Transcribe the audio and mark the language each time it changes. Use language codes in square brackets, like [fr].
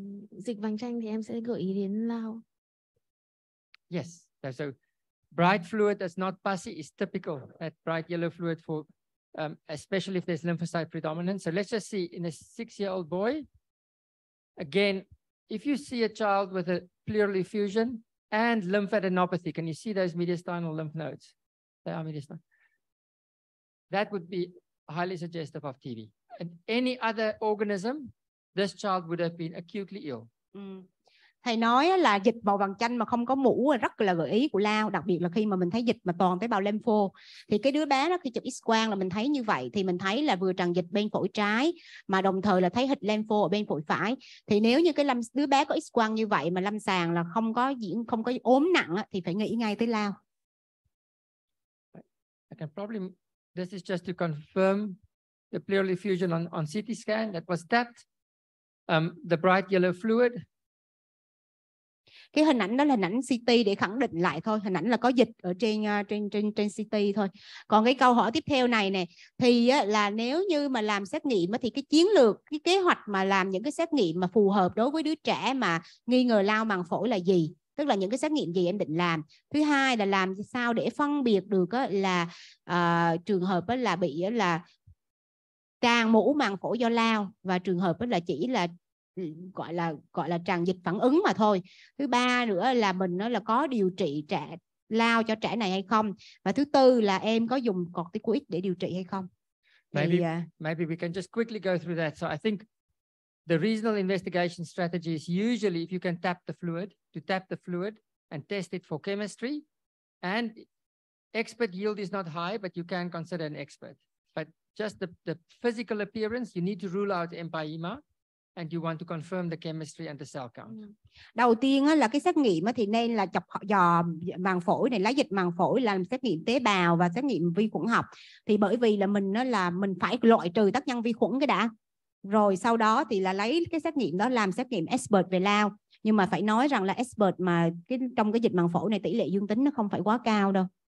[vi] Dịch vàng chanh thì em sẽ gợi ý đến lao. [en] Yes, so bright fluid that's not pusy is typical, that bright yellow fluid for especially if there's lymphocyte predominant. So let's just see in a 6-year-old boy. Again, if you see a child with a pleural effusion and lymphadenopathy, can you see those mediastinal lymph nodes? They are mediastinal. That would be highly suggestive of TB. And any other organism, this child would have been acutely ill. [vi] Thầy nói là dịch màu vàng chanh mà không có mủ rất là gợi ý của lao, đặc biệt là khi mà mình thấy dịch mà toàn tế bào lympho. Thì cái đứa bé đó khi chụp x-quang là mình thấy như vậy, thì mình thấy là vừa tràn dịch bên phổi trái mà đồng thời là thấy hịch lympho ở bên phổi phải. Thì nếu như cái đứa bé có x-quang như vậy mà lâm sàng là không có ốm nặng thì phải nghĩ ngay tới lao. [en] I can probably, this is just to confirm the pleural effusion on CT scan that was tapped, the bright yellow fluid. [vi] Cái hình ảnh đó là hình ảnh CT để khẳng định lại thôi, hình ảnh là có dịch ở trên CT thôi. Còn cái câu hỏi tiếp theo này nè, thì là nếu như mà làm xét nghiệm thì cái chiến lược, cái kế hoạch mà làm những cái xét nghiệm mà phù hợp đối với đứa trẻ mà nghi ngờ lao màng phổi là gì, tức là những cái xét nghiệm gì em định làm. Thứ hai là làm sao để phân biệt được là trường hợp là bị là tràn mũ màng phổi do lao và trường hợp là chỉ là gọi là tràn dịch phản ứng mà thôi. Thứ ba nữa là mình nó là có điều trị trẻ lao cho trẻ này hay không, và thứ tư là em có dùng corticoid để điều trị hay không. [en] Maybe we can just quickly go through that. So I think the reasonable investigation strategy is usually if you can tap the fluid and test it for chemistry, and expert yield is not high, but you can consider an expert. But just the physical appearance, you need to rule out empyema. And you want to confirm the chemistry and the cell count. [vi] Đầu tiên là cái xét nghiệm thì nên là chọc dò màng phổi này, lấy dịch màng phổi làm xét nghiệm tế bào và xét nghiệm vi khuẩn học. Thì bởi vì là mình phải loại trừ tác nhân vi khuẩn cái đã. Rồi sau đó thì là lấy cái xét nghiệm đó làm xét nghiệm expert về lao. Nhưng mà phải nói rằng là expert mà trong cái dịch màng phổi này tỷ lệ dương tính nó không phải quá cao đâu.